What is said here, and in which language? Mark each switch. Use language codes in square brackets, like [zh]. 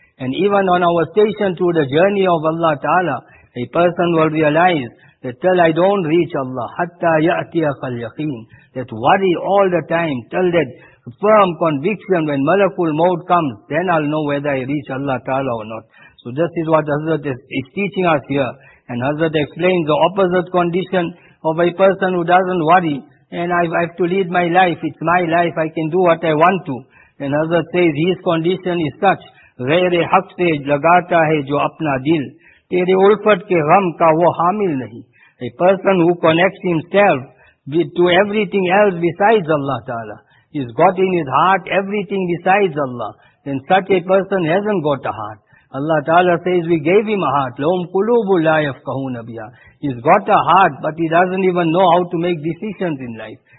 [en] And even on our station through the journey of Allah Ta'ala, a person will realize that till I don't reach Allah, [ar] hatta ya'tiyaka al-yaqeen, [en] that worry all the time, till that firm conviction when Malakul Maut comes, then I'll know whether I reach Allah Ta'ala or not. So this is what Hazrat is teaching us here. And Hazrat explains the opposite condition of a person who doesn't worry, and I have to lead my life, it's my life, I can do what I want to. And Hazrat says, his condition is such, [ur] غیرِ حق سے لگاتا ہے جو اپنا دل, تیرے الفت کے غم کا وہ حامل نہیں. [en] A person who connects himself to everything else besides Allah Ta'ala, he's got in his heart everything besides Allah, then such a person hasn't got a heart. Allah Ta'ala says, we gave him a heart. [ar] لَهُمْ قُلُوبُ لَا يَفْقَهُونَ بِيَا. [en] He's got a heart, but he doesn't even know how to make decisions in life.